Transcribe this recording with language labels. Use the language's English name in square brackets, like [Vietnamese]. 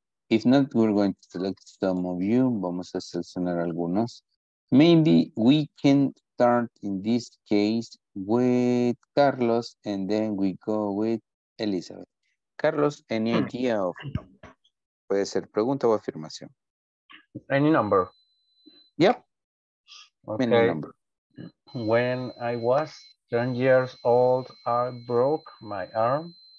[English] If not, we're going to select some of you. [Spanish] Vamos a seleccionar algunos. [English] Maybe we can start in this case with Carlos and then we go with Elizabeth. [Spanish] Carlos, [English] any idea of, [Spanish] puede ser pregunta o afirmación. [English] Any number. Yep. Okay. Any number. When I was 10 years old, I broke my arm.